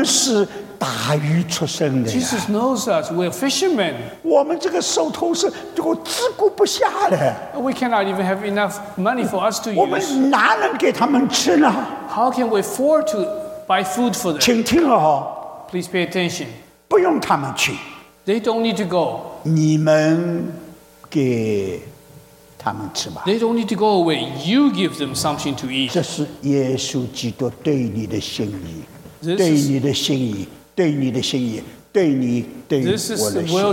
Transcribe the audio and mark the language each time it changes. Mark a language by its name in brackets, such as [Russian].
[Chinese] 这个5,000多个人怎么给他们吃？你说对不对？耶稣不是不知道我们，我们是打鱼出身的。 [English] Jesus knows us. We're fishermen. [Chinese] 我们这个手头是这个自顾不下的。 [English] We cannot even have enough money for us to use. [Chinese] 我们哪能给他们吃呢？ [English] How can we afford to buy food for them? [Chinese] 请听了哦。 [English] Please pay attention. [Chinese] 不用他们去。 [English] They don't need to go. [Chinese] 你们给。 [English] They don't need to go away. You give them something to eat. [Chinese] 这是耶稣基督对你的心意，对你的心意，对你的心意，对你对我的心意。 [English] This is the will